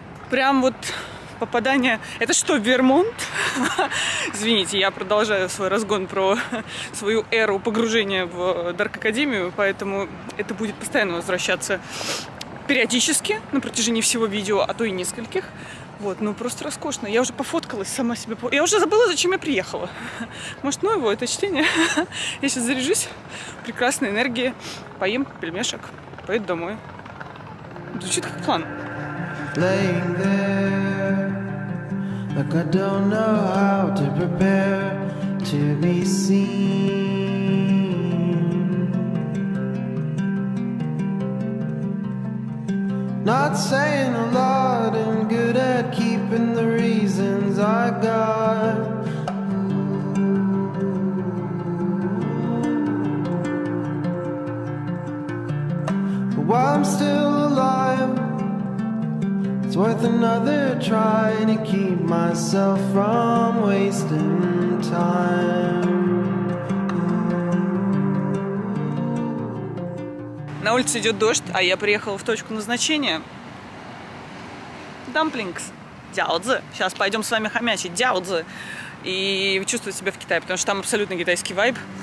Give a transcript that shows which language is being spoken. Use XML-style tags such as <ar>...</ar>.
<ru>Прям вот попадание... Это что, Вермонт? Извините, я продолжаю свой разгон про свою эру погружения в Dark Академию, поэтому это будет постоянно возвращаться периодически на протяжении всего видео, а то и нескольких. Вот, ну просто роскошно. Я уже пофоткалась сама себе. Я уже забыла, зачем я приехала. Может, ну его, это чтение. Я сейчас заряжусь прекрасной энергией. Поем пельмешек. Поеду домой. Звучит как план.</ru> <en>Laying there, like I don't know how to prepare to be seen. Not saying a lot in good at keeping the reasons I got. While I'm still alive, It's worth another try to keep myself from wasting time.</en> <ru>На улице идет дождь, а я приехала в точку назначения. Дамплингс. Дяодзе. Сейчас пойдем с вами хомячить. Дяодзе. И чувствовать себя в Китае, потому что там абсолютно китайский вайб.</ru>